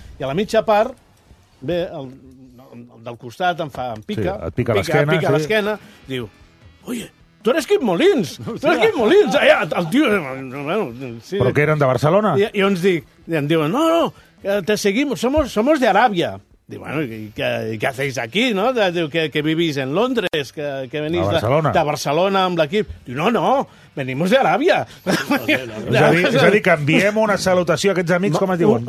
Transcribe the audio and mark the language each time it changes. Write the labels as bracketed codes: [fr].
[ca] I a la mitja part, bé, el del costat em pica. Sí, et pica a l'esquena. Pica l'esquena, sí. Diu, [es] oye, tu eres Quim Molins, [ca] tu eres Quim Molins. Ah, ja, el tio... Bueno, sí. Però que eren de Barcelona. I jo ens dic, i em diuen, no, [es] te seguimos, somos de Aràbia. [ca] Diu, bueno, què feis aquí, no? Diu, que vivís en Londres, que venís de Barcelona amb l'equip. Diu, [es] no, venimos de Aràbia. [ca] És a dir, que enviem una salutació a aquests amics, com es diuen?